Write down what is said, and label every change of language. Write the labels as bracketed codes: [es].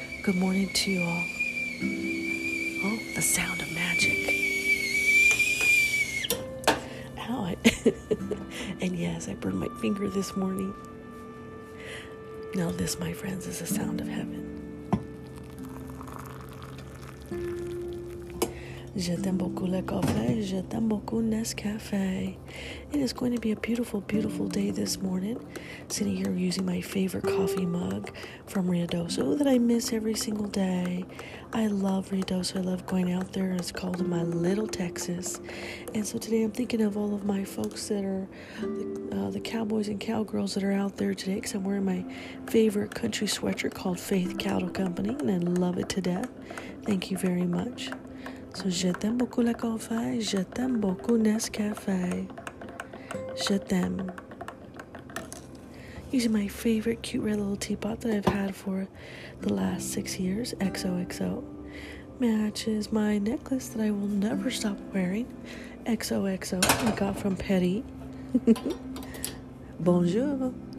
[en] Good morning to you all. Oh, the sound of magic. Ow. And yes, I burned my finger this morning. Now this, my friends, is the sound of heaven. [fr] Je t'aime beaucoup le café, je t'aime beaucoup Nescafé. [en] It is going to be a beautiful, beautiful day this morning. Sitting here using my favorite coffee mug from Riadoso that I miss every single day. I love Riadoso. I love going out there. It's called my little Texas. And so today I'm thinking of all of my folks that are the cowboys and cowgirls that are out there today, because I'm wearing my favorite country sweatshirt called Faith Cattle Company, and I love it to death. Thank you very much. So, [fr] je t'aime beaucoup le café, je t'aime beaucoup Nescafé, je t'aime. [en] Using my favorite cute red little teapot that I've had for the last 6 years, XOXO, matches my necklace that I will never stop wearing, XOXO, I got from Petty. [fr] Bonjour.